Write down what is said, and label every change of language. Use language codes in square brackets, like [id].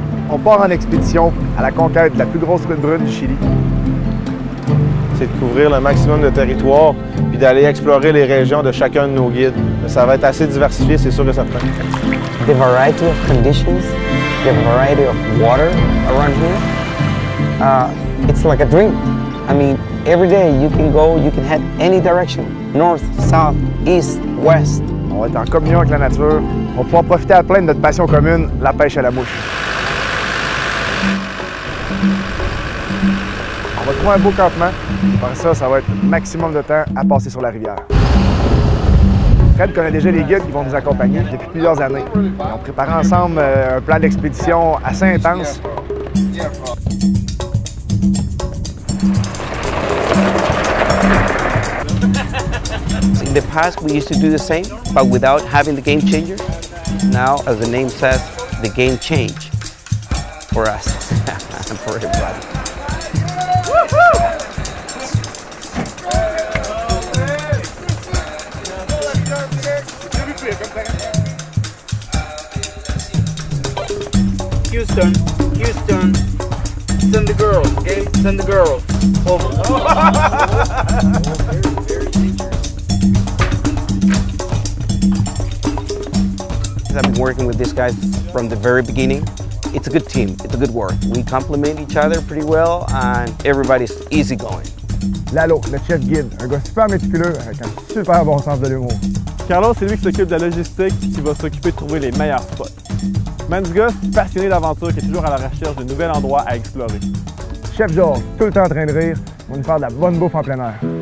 [fr] On part en expédition à la conquête de la plus grosse route brune du Chili. C'est de couvrir le maximum de territoire puis d'aller explorer les régions de chacun de nos guides. Ça va être assez diversifié, c'est sûr que ça prend. [en] The variety of conditions, the variety of water around here, it's like a dream. I mean, every day you can go, you can head any direction, north, south, east, west. [fr] On va être en communion avec la nature. On va pouvoir profiter à plein de notre passion commune, la pêche à la mouche. On va trouver un beau campement. Par ça, ça va être maximum de temps à passer sur la rivière. Fred connaît déjà les guides qui vont nous accompagner depuis plusieurs années. On prépare ensemble un plan d'expédition assez intense. [en] In the past, we used to do the same, but without having the game changer. Now, as the name says, the game change for us and for everybody. Houston, send the girl, okay? Send the girl over. I've been working with these guys from the very beginning. It's a good team, it's a good work. We complement each other pretty well and everybody's easygoing. [fr] Lalo, le chef guide, un gars super méticuleux avec un super bon sens de l'humour. Carlos, c'est lui qui s'occupe de la logistique et qui va s'occuper de trouver les meilleurs spots. Manzga, passionné d'aventure, qui est toujours à la recherche de nouvel endroit à explorer. Chef George, tout le temps en train de rire, va nous faire de la bonne bouffe en plein air.